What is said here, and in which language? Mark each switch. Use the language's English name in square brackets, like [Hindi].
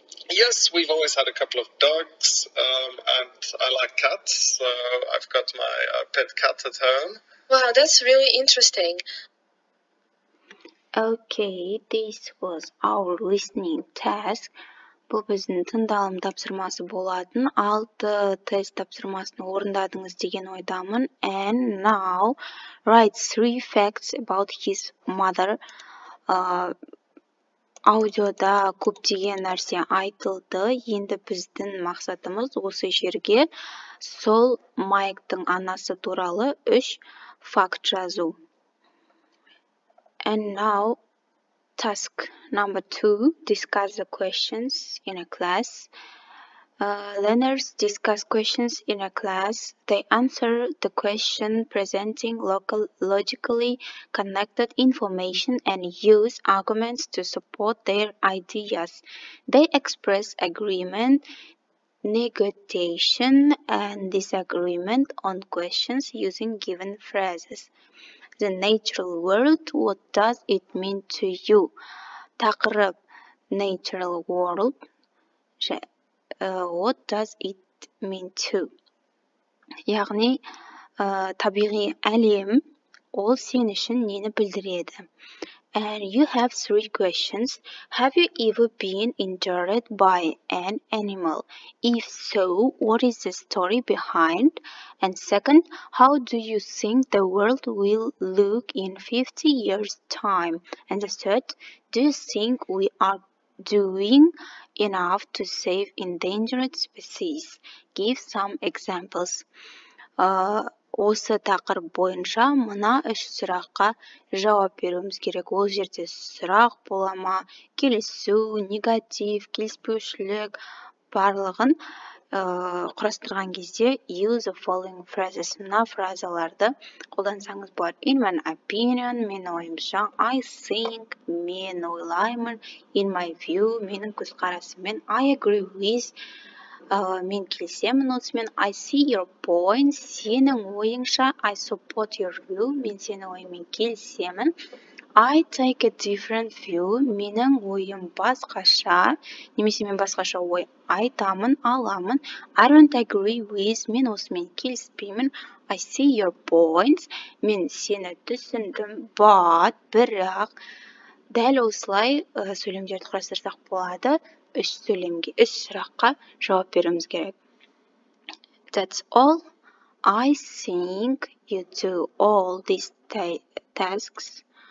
[English] Yes, we've always had a couple of dogs, and I like cats, so I've got my pet cat at home. Wow, that's really interesting. Okay, this was our listening task. [Kazakh] Бұл біздің тыңдалым тапсырмасы болатын. 6 тест тапсырмасын орындадыңыз деген ойдамын. [English] And now, write 3 facts about his mother. [Kazakh] Аудиода көптеген нәрсе айтылды. Енді біздің мақсатымыз осы жерге сол Майктың анасы туралы 3 факт жазу. [English] And now, task number 2, discuss the questions in a class. Learners discuss questions in a class. They answer the question presenting local logically connected information and use arguments to support their ideas. They express agreement, negotiation, and disagreement on questions using given phrases. The natural world, what does it mean to you? [Kazakh] Тақырып, [English] natural world, what does it mean to? [Kazakh] Яғни, табиғи әлем, ол сен үшін нені білдіреді? [English] And you have 3 questions. Have you ever been injured by an animal? If so, what is the story behind? And second, how do you think the world will look in 50 years' time? And the third, do you think we are doing enough to save endangered species? Give some examples. [Kazakh] Осы тақырып бойынша мына үш сұраққа жауап беруіміз керек. Ол жерде сұрақ бола ма, келісу, негатив, келіспеушілік барлығын құрастырған кезде [English] use of following phrases [Kazakh] мына фразаларды қолдансаңыз болады. [English] In my opinion, [Kazakh] мен ойымша, [English] I think, [Kazakh] мен ойлаймын, [English] in my view, [Kazakh] менің көзқарасыммен, [English] I agree with, [Kazakh] мен келісемін осымен, [English] I see your point, [Kazakh] сенің ойыңша, [English] I support your view, [Kazakh] мен сенің ойымен келісемін. [English] I take a different view, [Kazakh] менің ойым басқаша, немесе мен басқаша ой айтамын, аламын. [English] I don't agree with, [Kazakh] мен осымен келіспеймін. [English] I see your points, [Kazakh] мен сені түсіндім, [English] but, [Kazakh] бірақ, дәл осылай сөйлемдерді құрастырсақ болады, үш сөйлемге, үш сұраққа жауап беруіміз керек. [English] That's all. I think you do all these tasks.